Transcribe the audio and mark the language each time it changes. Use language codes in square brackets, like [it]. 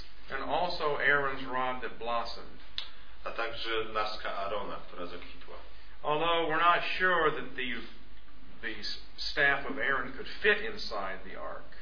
[en] And also Aaron's rod that blossomed. [pl] A także laska Aarona, która zakwitła. [en] Although we're not sure that the staff of Aaron could fit inside the ark.